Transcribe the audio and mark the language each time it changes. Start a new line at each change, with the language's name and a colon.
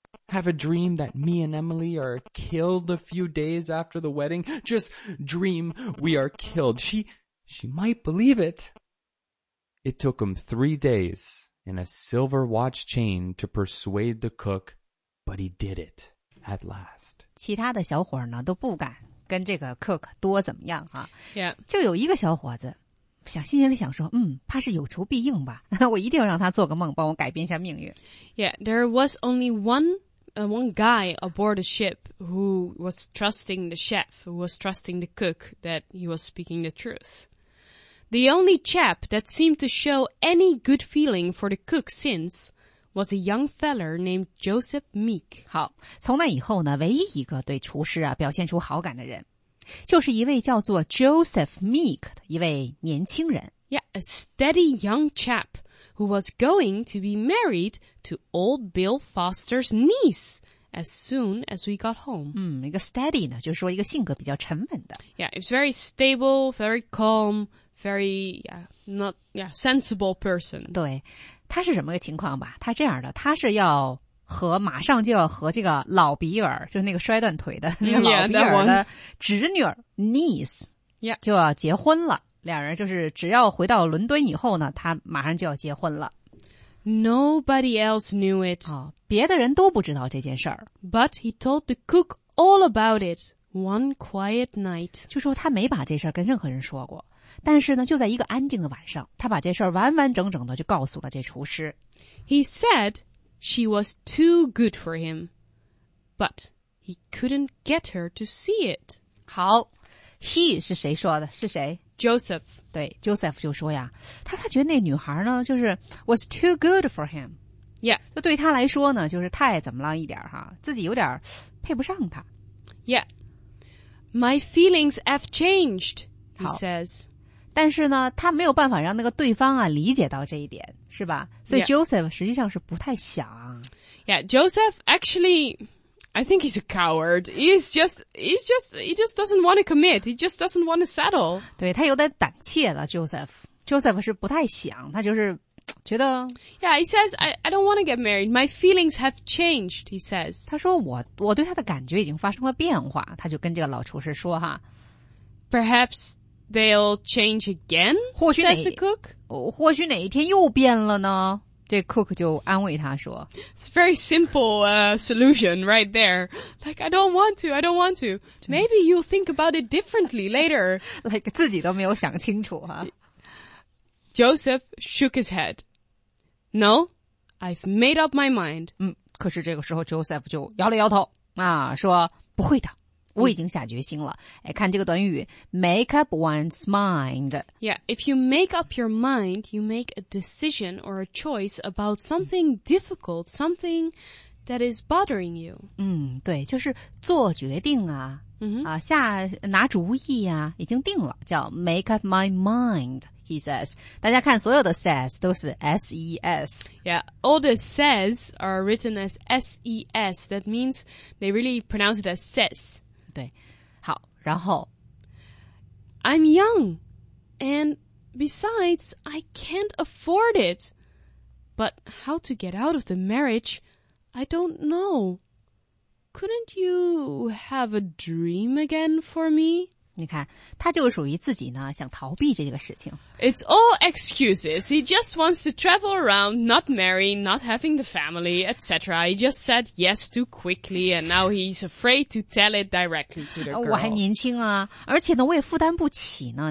English: Have a dream that me and Emily are killed a few days after the wedding? Just dream we are killed. She might believe it. It took him 3 days and a silver watch chain to persuade the cook,But he did it at last.
Chinese: 其他的小伙呢都不敢跟这个 cook 多怎么样啊。
English: Yeah.
Chinese: 就有一个小伙子想心里想说怕是有求必应吧。我一定要让他做个梦帮我改变一下命运。
English: Yeah, there was only one guy aboard the ship who was trusting the chef, who was trusting the cook that he was speaking the truth. The only chap that seemed to show any good feeling for the cook since... was a young feller named Joseph Meek.
Chinese: 好，从那以后呢，唯一一个对厨师啊表现出好感的人，就是一位叫做 Joseph Meek 的一位年轻人。
English: Yeah, a steady young chap who was going to be married to old Bill Foster's niece as soon as we got home.
Chinese: 一个 steady 呢，就是说一个性格比较沉稳的。
English: Yeah, it's very stable, very calm, very, sensible person.
Chinese: 对。他是什么个情况吧？他这样的，他是要和马上就要和这个老比尔，就是那个摔断腿的那个老比尔的侄女 niece， 就要结婚了。两人就是只要回到伦敦以后呢，他马上就要结婚了。
English: Nobody else knew it，
Chinese: 别的人都不知道这件事儿。
English: But he told the cook all about it one quiet night，
Chinese: 就说他没把这事儿跟任何人说过。但是呢，就在一个安静的晚上，他把这事儿完完整整的就告诉了这厨师。
English: He said she was too good for him, but he couldn't get her to see it.
Chinese: 好 ，he 是谁说的？是谁？Joseph。对 ，Joseph 就说呀，他说他觉得那女孩呢，就是
English: was too good for him。 Yeah，
Chinese: 就对他来说呢，就是太怎么了一点哈，自己有点配不上他。
English: Yeah， my feelings have changed。 He says，
Chinese: 但是呢，他没有办法让那个对方啊理解到这一点，是吧？所以 Joseph 实际上是不太想。
English: Yeah, Joseph actually, I think he's a coward. He just doesn't want to commit. He just doesn't want to settle.
Chinese: 对他有点胆怯了 ，Joseph。Joseph 是不太想，他就是觉得。
English: Yeah, he says I don't want to get married. My feelings have changed. He says，
Chinese: 他说我对他的感觉已经发生了变化。他就跟这个老厨师说哈。
English: Perhaps they'll change again, says the cook.
Chinese: 或许哪一天又变了呢？这 cook 就安慰他说。
English: It's a very simple, solution right there. Like, I don't want to. Maybe you'll think about it differently later.
Chinese: Like, 自己都没有想清楚啊。
English: Joseph shook his head. No, I've made up my mind.
Chinese: 可是这个时候 Joseph 就摇了摇头，说不会的。我已经下决心了。哎，看这个短语 make up one's mind.
English: Yeah, if you make up your mind, you make a decision or a choice about something difficult, something that is bothering you.
Chinese: 对，就是做决定啊。 Mm-hmm. 啊，下拿主意啊，已经定了，叫
English: make up my mind, he says.
Chinese: 大家看所有的 says 都是 S-E-S.
English: Yeah, all the says are written as S-E-S. That means they really pronounce it as says.
Chinese: 对，好，然后
English: I'm young, and besides, I can't afford it. But how to get out of the marriage, I don't know. Couldn't you have a dream again for me?
Chinese: 你看，他就属于自己呢，想逃避这个事情。
English: It's all excuses. He just wants to travel around, not marry, not having the family, etc. He just said yes too quickly, and now he's afraid to tell it directly to the girl.
Chinese: 我还年轻啊，而且呢，我也负担不起呢。